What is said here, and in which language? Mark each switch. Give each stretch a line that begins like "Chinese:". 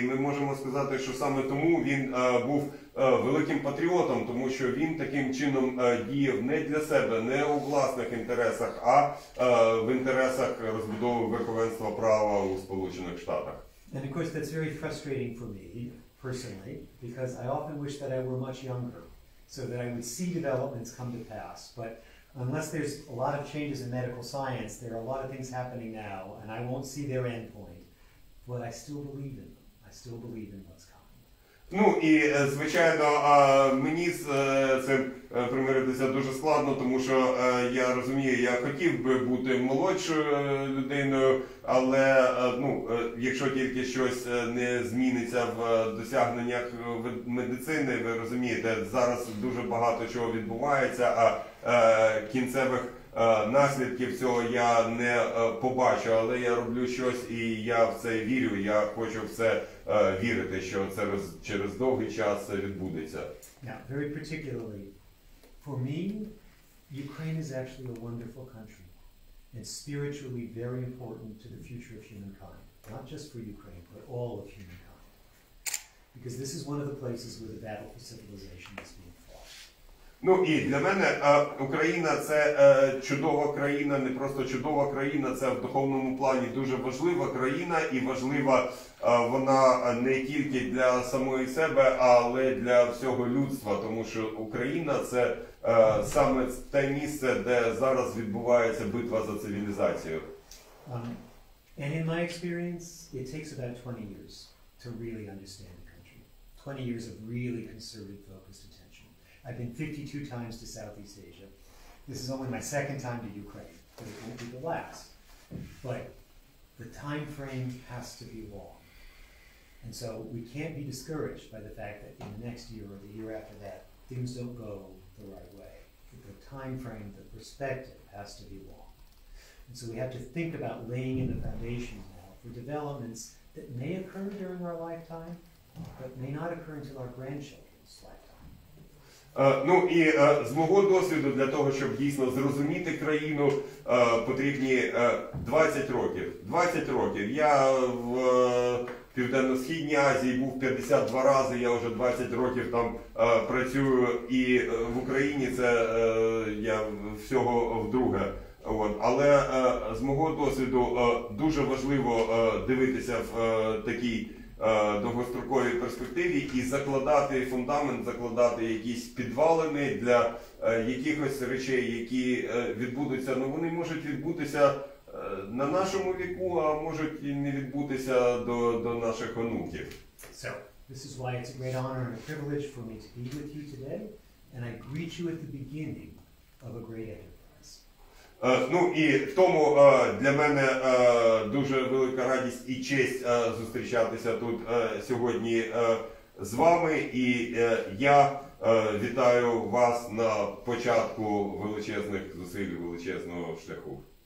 Ukrainian: І ми можемо сказати, що саме тому він був великим патріотом, тому що він таким чином діяв не для себе, не у власних інтересах, а в інтересах розбудови верховенства права у Сполучених Штатах.
English: And of course, that's very frustrating for me. Personally, because I often wish that I were much younger, so that I would see developments come to pass. But unless there's a lot of changes in medical science, there are a lot of things happening now, and I won't see their end point. But I still believe in them. I still believe in what's coming.
Ukrainian: Ну, і, звичайно, мені з цим примиритися дуже складно, тому що я розумію, я хотів би бути молодшою людиною, але ну, якщо тільки щось не зміниться в досягненнях медицини, ви розумієте, зараз дуже багато чого відбувається, а кінцевих наслідків цього я не побачу, але я роблю щось і я в це вірю, я хочу в це вірити, що це через довгий час відбудеться.
English: Yeah, very particularly. For me, Ukraine is actually a wonderful country and spiritually very important to the future of humankind. Not just for Ukraine, but all of humankind. Because this is one of the places where the battle for civilization is being fought.
Ukrainian: Ну і для мене Україна – це чудова країна, не просто чудова країна, це в духовному плані дуже важлива країна і важлива вона не тільки для самої себе, але для всього людства, тому що Україна – це саме те місце, де зараз відбувається битва за цивілізацію.
English: And in my experience, it takes about 20 years to really understand the country. 20 years of really concerted, focused attention. I've been 52 times to Southeast Asia. This is only my second time to Ukraine, but it won't be the last. But the time frame has to be long. And so we can't be discouraged by the fact that in the next year or the year after that, things don't go the right way. The time frame, the perspective has to be long. And so we have to think about laying in the foundation now for developments that may occur during our lifetime, but may not occur until our grandchildren's lifetime.
Ukrainian: Ну і з мого досвіду для того, щоб дійсно зрозуміти країну, потрібні 20 років. 20 років. Я в Південно-Східній Азії був 52 рази, я вже 20 років там працюю, і в Україні це я всього вдруге. От. Але з мого досвіду дуже важливо дивитися в такій довгостроковій перспективі і закладати фундамент, закладати якісь підвалини для якихось речей, які відбудуться, ну вони можуть відбутися на нашому віку, а можуть і не відбутися до наших онуків.
English: So, this is why it's a great honor and a privilege for me to be with you today, and I greet you at the beginning of a great enterprise.
Ukrainian: Ну і в тому для мене дуже велика радість і честь зустрічатися тут сьогодні з вами, і я вітаю вас на початку величезних зусиль, величезного шляху.